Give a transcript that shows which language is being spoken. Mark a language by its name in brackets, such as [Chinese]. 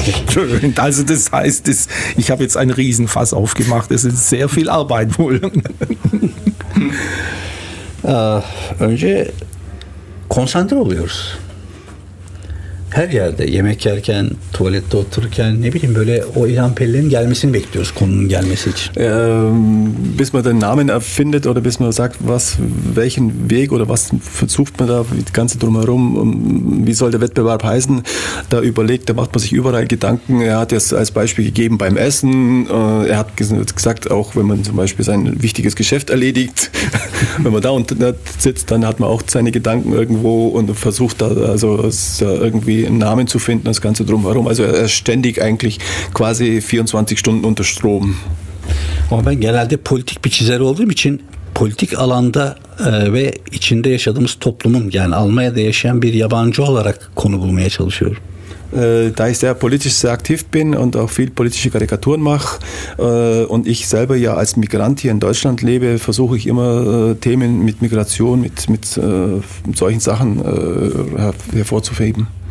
[German] Schön. Also das heißt, ich habe jetzt ein Riesenfass aufgemacht. Es ist sehr viel Arbeit wohl. [Turkish] Önce konsantre oluyoruz. Her yerde yemek yerken, tuvalette otururken, ne bileyim böyle o ilham pellinin gelmesini bekliyoruz, konunun gelmesi için. [German] Bis man den Namen erfindet oder bis man sagt, was, welchen Weg oder was versucht man da, das Ganze drumherum, wie soll der Wettbewerb heißen, da überlegt, da macht man sich überall Gedanken. Er hat jetzt als Beispiel gegeben beim Essen, er hat gesagt, auch wenn man zum Beispiel sein wichtiges Geschäft erledigt, wenn man da unten sitzt, dann hat man auch seine Gedanken irgendwo und versucht da also irgendwie einen Namen zu finden, das Ganze drumherum. Also er ist ständig eigentlich quasi 24 Stunden unter Strom. [Turkish] Aber ben genelde politik bir çizer olduğum için politik alanda ve içinde yaşadığımız toplumun yani Almanya'da yaşayan bir yabancı olarak konu bulmaya çalışıyorum. [German] Da ich sehr politisch sehr aktiv bin und auch viel politische Karikaturen mache und ich selber ja als Migrant hier in Deutschland lebe, versuche ich immer Themen mit Migration, mit solchen Sachen hervorzuheben.